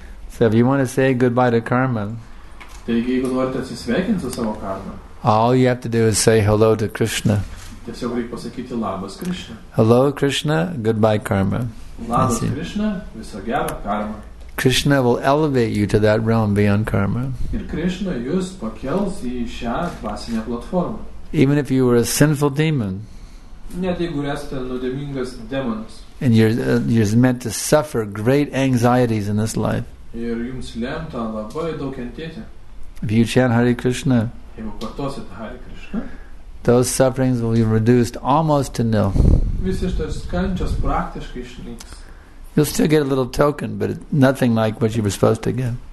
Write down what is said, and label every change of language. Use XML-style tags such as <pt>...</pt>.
<en>So if you want to say goodbye to karma,</en> <lt>taigi, jeigu norite atsisveikinti su savo karma,</lt> <en>all you have to do is say hello to Krishna.</en> <lt>Tiesiog reikia pasakyti labas Krishna.</lt> <en>Hello Krishna, goodbye karma.</en> <lt>Labas Krishna, viso gero karma.</lt> <en>Krishna will elevate you to that realm beyond karma.</en> <lt>Ir Krishna jūs pakels į šią dvasinę platformą.</lt> <en>Even if you were a sinful demon.</en> <lt>Net jeigu esate nuodėmingas demonas.</lt> <en>And you're meant to suffer great anxieties in this life.</en> <lt>Ir jums lemta labai daug kentėti.</lt> <en>If you chant Hare Krishna.</en> <lt>Jeigu kartosite Hare Krishna.</lt> <en>Those sufferings will be reduced almost to nil. You'll still get a little token, but nothing like what you were supposed to get.</en>